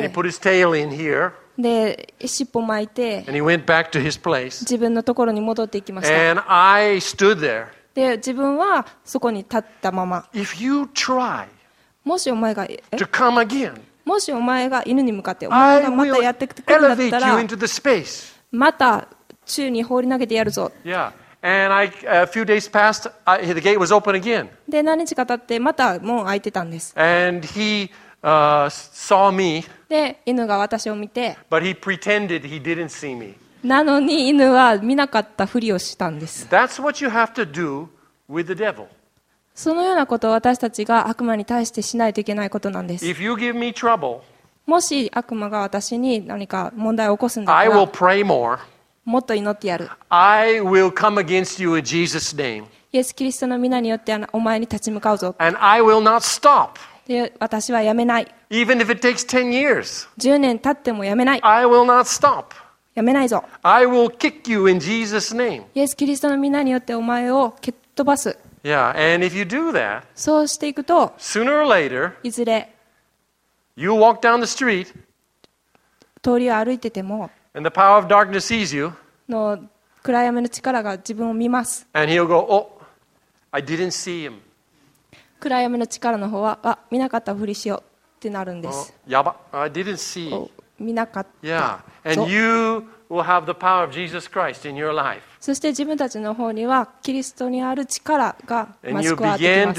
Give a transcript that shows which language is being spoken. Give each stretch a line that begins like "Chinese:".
English: And he put his tail in here.
Japanese: で、尻尾巻いて。
English: And he went back to his place.
Japanese: 自分のところに戻っていきました。
English: And I stood there.
Japanese: で、自分はそこに立ったまま。
English: If you try.
Japanese: もしお前が。
English: To come again.
Japanese: もしお前が犬に向かって、お前がまたやってくるんだったら。
English: I will elevate you into the space.
Japanese: また宙に放り投げてやるぞ。
English: Yeah. And I, a few days passed, the gate was open again.
Japanese: で、何日か経って、また門開いてたんです。
English: And he, saw me.
Japanese: で、犬が私を見て。
English: But he pretended he didn't see me.
Japanese: なのに犬は見なかったふりをしたんです。
English: That's what you have to do with the devil.
Japanese: そのようなことを私たちが悪魔に対してしないといけないことなんです。
English: If you give me trouble,
Japanese: もし悪魔が私に何か問題を起こすんだったら、もっと祈ってやる。
English: I will come against you in Jesus' name.
Japanese: イエス・キリストの皆によってお前に立ち向かうぞ。
English: And I will not stop.
Japanese: で、私はやめない。
English: Even if it takes 10 years.
Japanese: 10年経ってもやめない。
English: I will not stop.
Japanese: やめないぞ。
English: I will kick you in Jesus' name.
Japanese: イエス・キリストの皆によってお前を蹴っ飛ばす。
English: Yeah, and if you do that,
Japanese: そうしていくと、
English: sooner or later,
Japanese: いずれ、
English: You walk down the street,
Japanese: 通りを歩いてても、
English: and the power of darkness sees you,
Japanese: の暗闇の力が自分を見ます。
English: And he'll go, oh, I didn't see him.
Japanese: 暗闇の力の方は、あ、見なかったふりしようってなるんです。
English: Oh,
Japanese: やば、
English: I didn't see. Oh,
Japanese: 見なかった。
English: Yeah, and you will have the power of Jesus Christ in your life.
Japanese: そして自分たちの方にはキリストにある力が増し加わってきます。